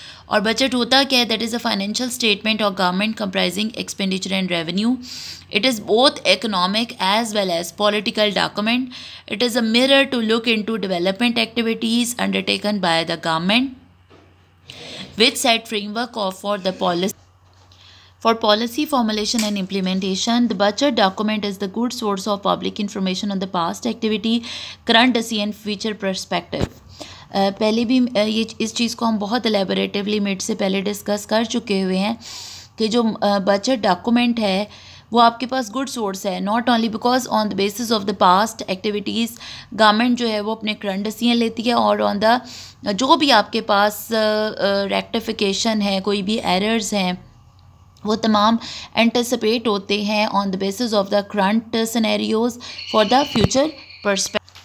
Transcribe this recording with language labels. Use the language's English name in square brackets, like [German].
[Hindi] और बजट होता क्या है, [English] That is a financial statement of government comprising expenditure and revenue. It is both economic as well as political document. It is a mirror to look into development activities undertaken by the government. Which set framework of for the policy For policy formulation and implementation, the budget document is the good source of public information on the past activity, current decision, and future perspective. [Hindi] पहले भी ये इस चीज़ को हम बहुत elaborately mid से पहले discuss कर चुके हुए हैं कि जो बजट डॉक्यूमेंट है वो आपके पास गुड सोर्स है, [English] not only because on the basis of the past activities [Hindi] government जो है वो अपने करंट डिसीजन लेती है, और ऑन द जो भी आपके पास रेक्टिफिकेशन है, कोई भी एरर्स हैं, वो तमाम एंटिसिपेट होते हैं [English] On the basis of the current scenarios for the future perspective.